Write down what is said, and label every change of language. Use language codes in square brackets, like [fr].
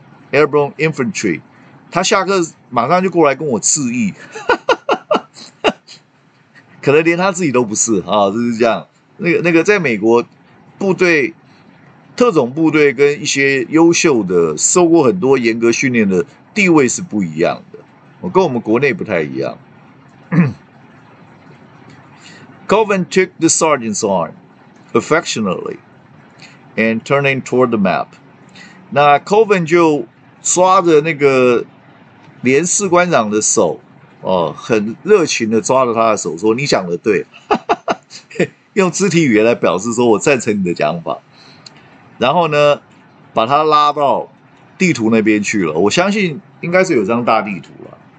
[en] Airborne Infantry， [zh] 他下课马上就过来跟我致意，可能连他自己都不是啊，就是这样。那个在美国部队、特种部队跟一些优秀的、受过很多严格训练的地位是不一样的，跟我们国内不太一样。 [en] Colvin took the sergeant's arm affectionately and turning toward the map。 [zh] 那 Colvin 就抓着那个连士官长的手，哦，很热情的抓着他的手说，你讲的对，用肢体语言来表示说我赞成你的讲法。然后呢把他拉到地图那边去了，我相信应该是有张大地图了。